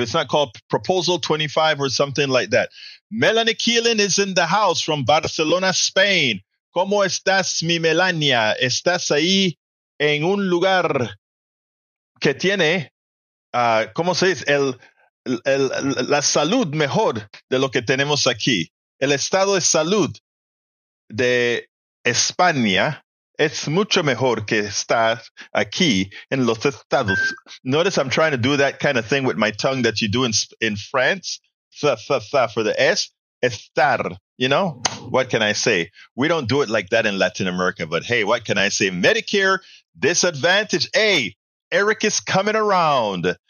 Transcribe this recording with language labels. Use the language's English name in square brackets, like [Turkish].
[English] It's not called proposal 25 or something like that. Melanie Keelan is in the house from Barcelona, Spain. [Spanish] ¿Cómo estás, mi Melania? ¿Estás ahí en un lugar que tiene, cómo se dice, la salud mejor de lo que tenemos aquí? El estado de salud de España es mucho mejor que estar aquí en los Estados. [English] Notice I'm trying to do that kind of thing with my tongue that you do in France. For the S, estar, you know? What can I say? We don't do it like that in Latin America, but hey, what can I say? Medicare disadvantage. Hey, Eric is coming around.